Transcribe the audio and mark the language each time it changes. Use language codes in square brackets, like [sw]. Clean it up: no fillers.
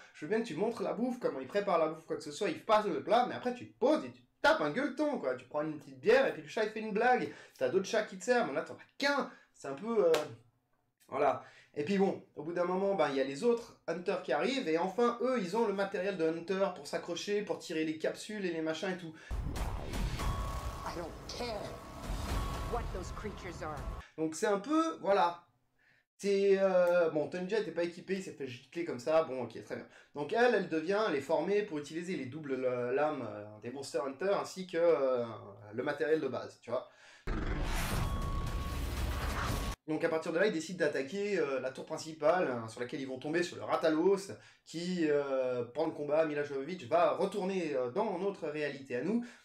[fr] Je veux bien que tu montres la bouffe, comment ils préparent la bouffe, quoi que ce soit. Ils passent le plat, mais après, tu te poses et tu tapes un gueuleton, quoi. Tu prends une petite bière et puis le chat, il fait une blague. T'as d'autres chats qui te servent, mais là, t'en as qu'un. C'est un peu... Voilà. Et puis bon, au bout d'un moment, ben, y a les autres hunters qui arrivent, et enfin, eux, ils ont le matériel de hunter pour s'accrocher, pour tirer les capsules et les machins et tout. [en] I don't care what those creatures are. [fr] Donc c'est un peu, voilà. C'est, bon, Tony Jaa n'était pas équipé, il s'est fait gicler comme ça, bon, ok, très bien. Donc elle devient, elle est formée pour utiliser les doubles lames des Monster Hunter, ainsi que le matériel de base, tu vois. Donc à partir de là, ils décident d'attaquer la tour principale sur laquelle ils vont tomber, sur le Rathalos, qui, pendant le combat, Mila Jovovich va retourner dans notre réalité à nous.